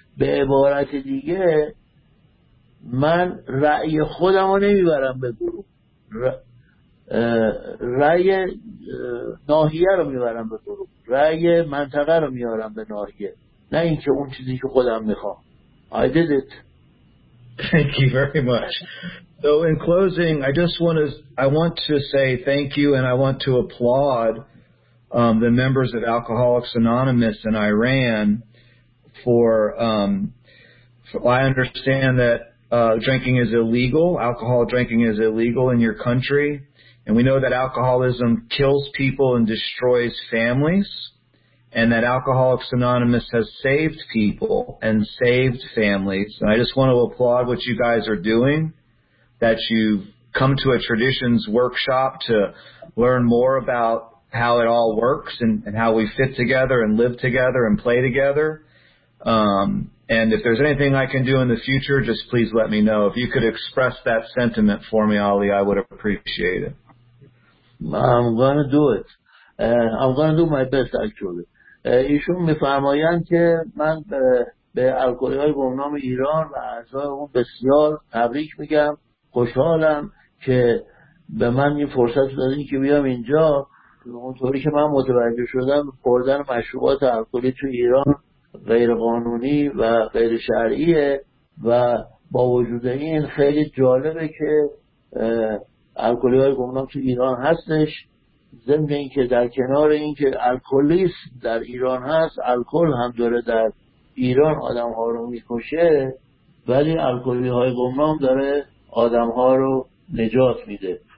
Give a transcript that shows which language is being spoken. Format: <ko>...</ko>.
<fa>به عبارت دیگه من رأی خودم رو نمیبرم به گروه، رأی ناحیه رو میبرم به گروه، رأی منطقه رو میارم به ناحیه، نه اینکه اون چیزی که خودم میخوام.</fa> <en>I did it. Thank you very much. So in closing, I want to say thank you, and I want to applaud the members of Alcoholics Anonymous in Iran. I understand that alcohol drinking is illegal in your country, and we know that alcoholism kills people and destroys families, and that Alcoholics Anonymous has saved people and saved families. And I just want to applaud what you guys are doing, that you've come to a traditions workshop to learn more about how it all works and how we fit together and live together and play together. And if there's anything I can do in the future, just please let me know. If you could express that sentiment for me, Ali, I would appreciate it. I'm going to do it. I'm going to do my best, actually.</en> <fa>ایشون میفرمایند که من به الکلی های به نام ایران و اعضای اون بسیار تبریک میگم، خوشحالم که به من این فرصت دادین که بیام اینجا. اونطوری که من متوجه شدم، خوردن مشروبات الکلی تو ایران غیر قانونی و غیر شرعیه و با وجود این خیلی جالبه که الکلی های به نام تو ایران هستش، ضمن این که در کنار این که الکلیست در ایران هست، الکل هم داره در ایران آدم ها رو میکشه، ولی الکلی های گمنام داره آدم ها رو نجات میده.</fa>